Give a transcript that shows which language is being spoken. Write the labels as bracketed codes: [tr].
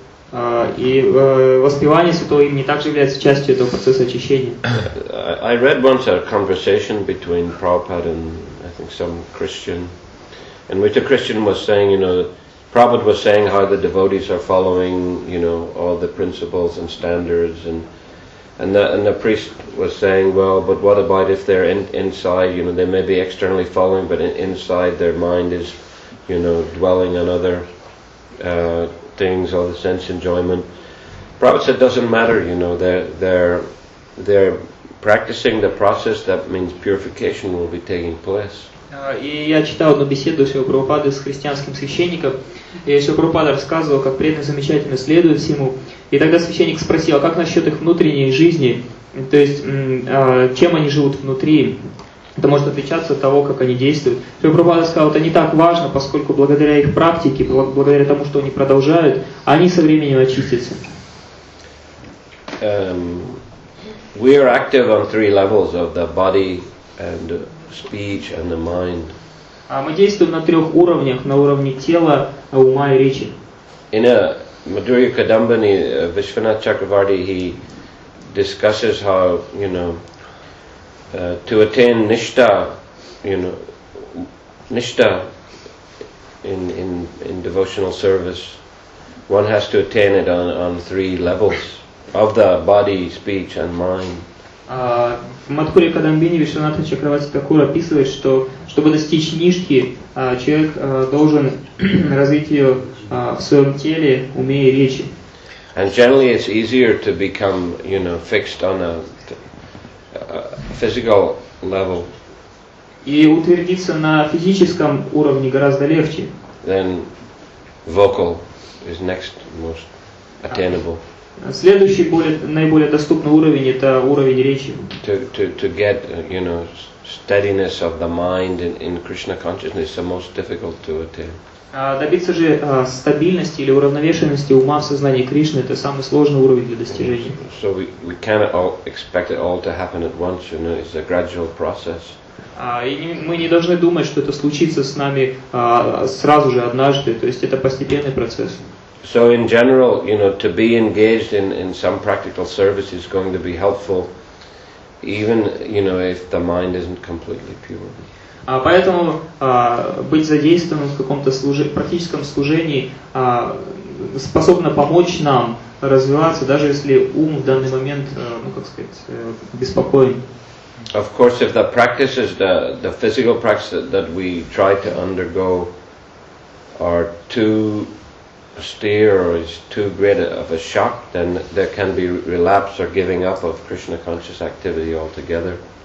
[ru] Воспевание святого имени также является частью этого процесса очищения. [en] I read once a conversation between Prabhupada and I think some Christian, in which a Christian was saying, you know, Prabhupada was saying how the devotees are following, you know, all the principles and standards, and the priest was saying, well, but what about if they're inside, you know, they may be externally following, but inside their mind is, you know, dwelling on other things, all the sense enjoyment. Prabhupada said, doesn't matter, you know, they're practicing the process, that means purification will be taking place. [ru] И я читал одну беседу Шрилы Прабхупады с христианским священником, и Шрила Прабхупада рассказывал, как преданные замечательно следуют всему. И тогда священник спросил, а как насчет их внутренней жизни, то есть чем они живут внутри, это может отличаться от того, как они действуют. Шрила Прабхупада сказал, это не так важно, поскольку благодаря их практике, благодаря тому, что они продолжают, они со временем очистятся. [en] We are active on three levels of the body and speech and the mind. [ru] А мы действуем на трех уровнях, на уровне тела, ума и речи. [en] In a Madhurya Kadambani, Vishwanath Chakravarti, he discusses how, you know, to attain nishta, you know, nishta in devotional service, one has to attain it on three levels of the body, speech and mind. [ru] В Мадхуре Кадамбини Вишванатха Чакравати Такур описывает, что чтобы достичь ништхи, человек должен развить ее в своем теле, уме и речи. [en] And generally it's easier to become, you know, fixed on a physical level. [ru] И утвердиться на физическом уровне гораздо легче. [en] Then vocal is next most attainable. [ru] Следующий наиболее доступный уровень – это уровень речи. [en] To get, you know, steadiness of the mind in Krishna consciousness is the most difficult to attain. [ru] Добиться же стабильности или уравновешенности ума в сознании Кришны – это самый сложный уровень для достижения. [en] So we cannot all expect it all to happen at once. You know, it's a gradual process. [ru] Мы не должны думать, что это случится с нами сразу же однажды. То есть это постепенный процесс. [en] So in general, you know, to be engaged in some practical service is going to be helpful, even, you know, if the mind isn't completely pure. [ru] Поэтому быть задействованным в каком-то практическом служении способно помочь нам развиваться, даже если ум в данный момент, ну как сказать, беспокоен. [en] Of course, if the practice is the physical practice that we try to undergo are too austere or is too great of a shock, then there can be relapse or giving up of Krishna conscious activity altogether.